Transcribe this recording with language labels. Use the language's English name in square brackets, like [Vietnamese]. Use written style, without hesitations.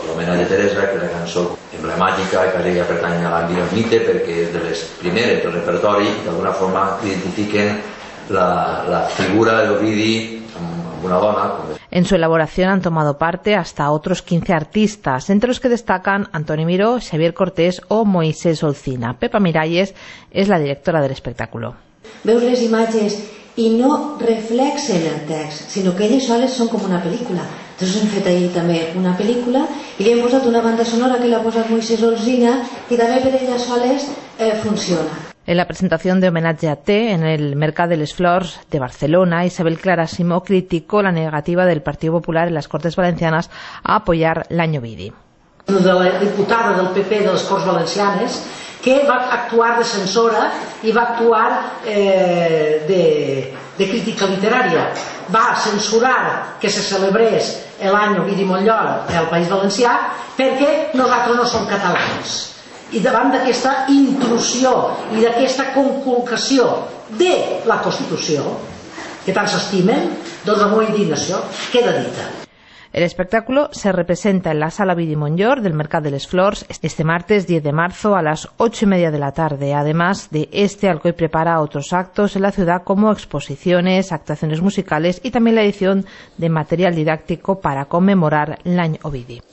[Spanish] L'Homenatge a Teresa, que es la canción emblemática que a ella pertanya [Catalan] a l'àmbit del mite, [Spanish] porque es de las primeras del repertorio y de alguna forma identifiquen la figura de Ovidi [Catalan] amb una dona. [Spanish] En su elaboración han tomado parte hasta otros 15 artistas, entre los que destacan Antoni Miró, Xavier Cortés o Moisés Olcina. Pepa Miralles es la directora del espectáculo. [Catalan] Veus les imatges i no reflexen el text, sinó que elles soles són com una pel·lícula. Entonces hem fet ahir també una pel·lícula i li hem posat una banda sonora que la posa Moisés Olcina i també per elles soles funciona. [Spanish] En la presentación de Homenatge a Te en el Mercat de les Flors de Barcelona, Isabel Clara Simó criticó la negativa del Partido Popular en las Cortes Valencianas a apoyar l'any Ovidi. [Catalan] De la diputada del PP de les Corts Valencianes, que va actuar de censora i va actuar de crítica literària. Va censurar que se celebrés l'any Ovidi Montllor al País Valencià perquè nosaltres no som catalans. I davant d'aquesta intrusió i d'aquesta conculcació de la Constitució, que tant s'estimen, doncs amb una indignació queda dita. [Spanish] El espectáculo se representa en la Sala Ovidi Montllor del Mercat de les Flors este martes 10 de marzo a las 8:30 de la tarde. Además de este, Alcoy prepara otros actos en la ciudad como exposiciones, actuaciones musicales y también la edición de material didáctico para conmemorar l'any Ovidi.